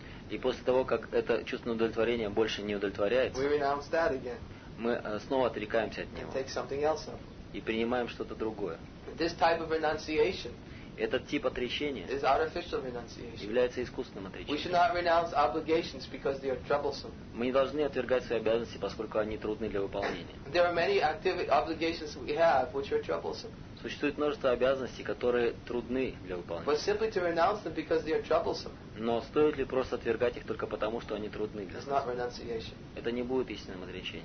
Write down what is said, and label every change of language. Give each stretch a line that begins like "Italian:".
Russian: и после того, как это чувственное удовлетворение больше не удовлетворяется,
English: we renounce that again.
Russian: Мы снова отрекаемся от него.
English: And take something else up.
Russian: И принимаем что-то другое.
English: This type of renunciation
Russian: этот тип отречения
English: is artificial renunciation.
Russian: Является искусственным отречением.
English: We should not renounce obligations because they are troublesome.
Russian: Мы не должны отвергать свои обязанности, поскольку они трудны для выполнения.
English: There are many active obligations we have which are troublesome.
Russian: Существует множество обязанностей, которые трудны для выполнения.
English: But simply to renounce them because they are troublesome.
Russian: Но стоит ли просто отвергать их только потому, что они трудны для нас?
English: It's not renunciation.
Russian: Это не будет истинным отречением.